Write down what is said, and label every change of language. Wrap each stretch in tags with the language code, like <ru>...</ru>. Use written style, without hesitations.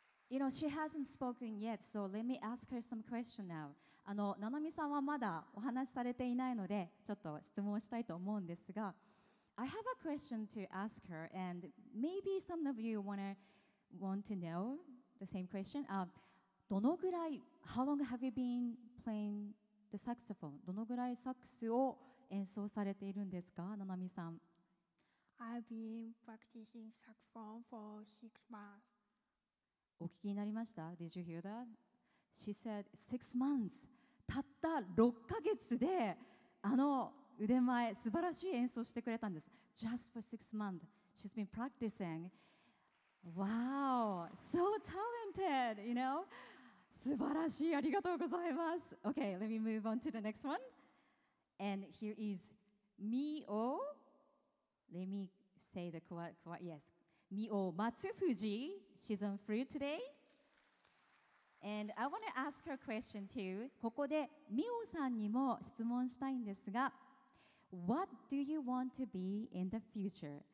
<en>You know, she hasn't spoken yet, so let me ask her some question now.</en> <ja>ナナミさんはまだお話しされていないのでちょっと質問をしたいと思うんですが</ja> <en>I have a question to ask her and maybe some of you want to know the same question、</en> <ja>どのぐらい</ja> <en>How long have you been playing the saxophone?</en> <ja>どのぐらいサックスを演奏されているんですかナナミさん</ja> <en>I've been practicing saxophone for 6 months</en> <ja>お聞きになりました</ja> <en>Did you hear that? She said 6 months.</en> <ja>たった6ヶ月で、あの腕前、素晴らしい演奏してくれたんです。</ja> <en>Just for 6 months. She's been practicing. Wow, so talented, you know?</en> <ja>素晴らしい、ありがとうございます。</ja> <en>Okay, let me move on to the next one. And here is Mio. Let me say the quote, yes. Mio Matsufuji. She's on fruit today. And I want to ask her a question too.</en> <ja>ここでミオさんにも質問したいんですが</ja> <en>What do you want to be in the future?</en>